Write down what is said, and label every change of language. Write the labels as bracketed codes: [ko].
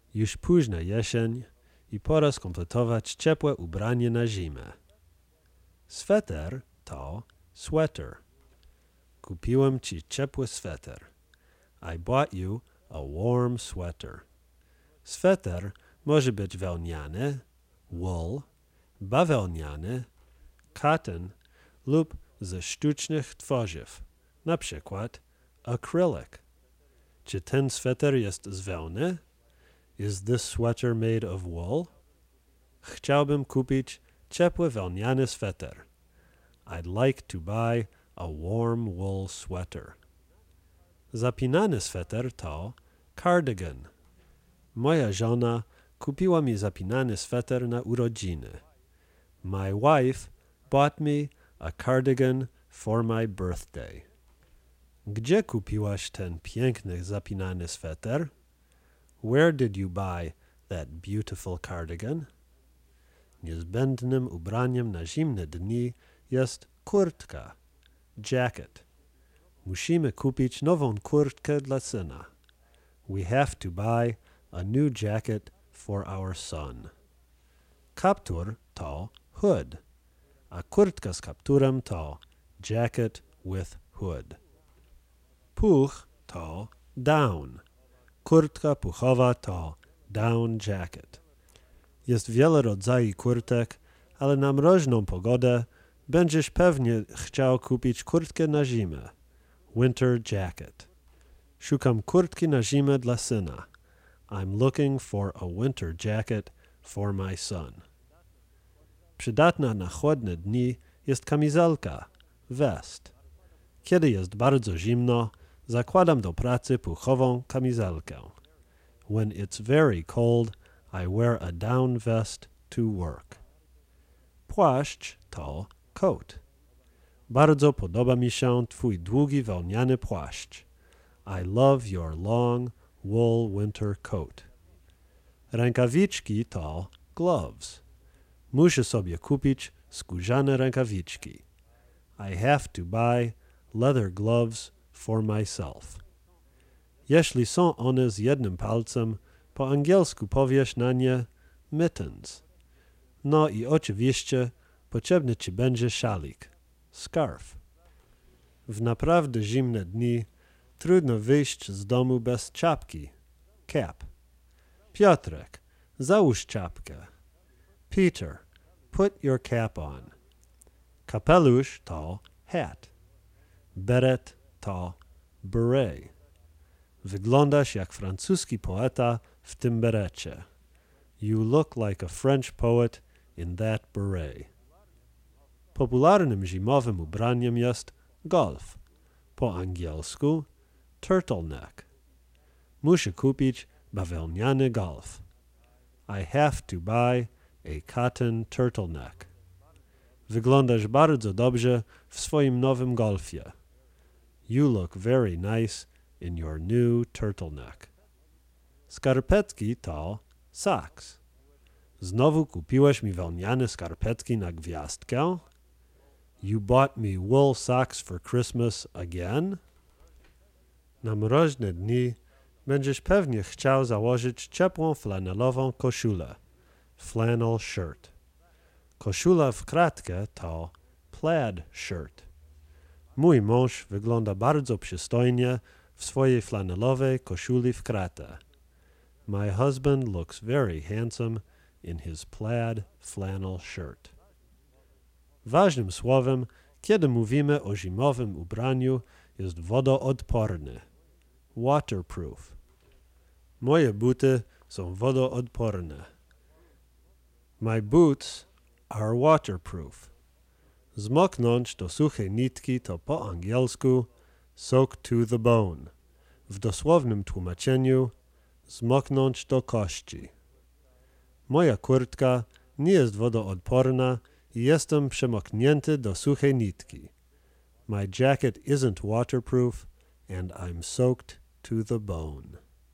[pl] Już późna jesień i pora skompletować ciepłe ubranie na zimę. Sweter to sweater. Kupiłem ci ciepły sweter. [en] I bought you a warm sweater. [pl] Sweter może być wełniany, wool, bawełniany, cotton lub ze sztucznych tworzyw, na przykład acrylic. Czy ten sweter jest z wełny? [en] Is this sweater made of wool? [pl] Chciałbym kupić ciepły wełniany sweter. [en] I'd like to buy a warm wool sweater. [pl] Zapinany sweter to cardigan. Moja żona kupiła mi zapinany sweter na urodziny. [en] My wife bought me a cardigan for my birthday. [pl] Gdzie kupiłaś ten piękny zapinany sweter? [en] Where did you buy that beautiful cardigan? [pl] Niezbędnym ubraniem na zimne dni jest kurtka, jacket. Musimy kupić nową kurtkę dla syna. [en] We have to buy a new jacket for our son. [pl] Kaptur to hood, a kurtka z kapturem to [en] jacket with hood. [pl] Puch to down. Kurtka puchowa to down jacket. Jest wiele rodzajów kurtek, ale na mroźną pogodę będziesz pewnie chciał kupić kurtkę na zimę. Winter jacket. Szukam kurtki na zimę dla syna. [en] I'm looking for a winter jacket for my son. [pl] Przydatna na chłodne dni jest kamizelka, vest. Kiedy jest bardzo zimno, zakładam do pracy puchową kamizelkę. [en] When it's very cold, I wear a down vest to work. [pl] Płaszcz to coat. Bardzo podoba mi się twój długi wełniany płaszcz. [en] I love your long wool winter coat. [pl] Rękawiczki to gloves. Muszę sobie kupić skórzane rękawiczki. [en] I have to buy leather gloves for myself. [pl] Jeśli są one z jednym palcem, po angielsku powiesz na nie mittens. No i oczywiście potrzebny ci będzie szalik, scarf. W naprawdę zimne dni trudno wyjść z domu bez czapki, cap. Piotrek, załóż czapkę. [en] Peter, put your cap on. [pl] Kapelusz to hat. Beret to beret. Wyglądasz jak francuski poeta w tym berecie. [en] You look like a French poet in that beret. [pl] Popularnym zimowym ubraniem jest golf. Po angielsku turtleneck. Muszę kupić bawełniany golf. [en] I have to buy a cotton turtleneck. [pl] Wyglądasz bardzo dobrze w swoim nowym golfie. [en] You look very nice in your new turtleneck. [pl] Skarpetki to socks. Znowu kupiłeś mi wełniane skarpetki na gwiazdkę? [en] You bought me wool socks for Christmas again? [pl] Na mroźne dni będziesz pewnie chciał założyć ciepłą flanelową koszulę. Flannel shirt. Koszula w kratkę to plaid shirt. Mój mąż wygląda bardzo przystojnie w swojej flanelowej koszuli w kratę. [en] My husband looks very handsome in his plaid flannel shirt. [pl] Ważnym słowem, kiedy mówimy o zimowym ubraniu, jest wodoodporny. Waterproof. Moje buty są wodoodporne. [en] My boots are waterproof. [pl] Zmoknąć do suchej nitki to po angielsku [en] soak to the bone. [pl] W dosłownym tłumaczeniu zmoknąć do kości. Moja kurtka nie jest wodoodporna i jestem przemoknięty do suchej nitki. [en] My jacket isn't waterproof and I'm soaked to the bone.